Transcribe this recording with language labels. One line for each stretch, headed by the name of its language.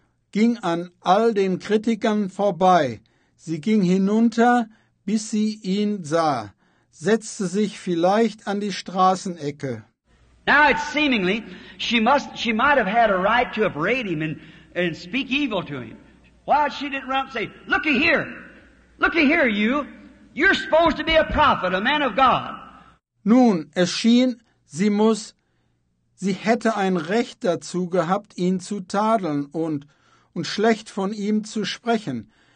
German: Ging an all den Kritikern vorbei. Sie ging hinunter, bis sie ihn sah, setzte sich vielleicht an die Straßenecke.
English: Now it's seemingly, she might have had a right to upbraid him and speak evil to him. Why she didn't run up and say, looky here, you. You're supposed to be a prophet, a man of God.
German: Nun, es schien, sie hätte ein Recht dazu gehabt, ihn zu tadeln und schlecht von ihm zu sprechen.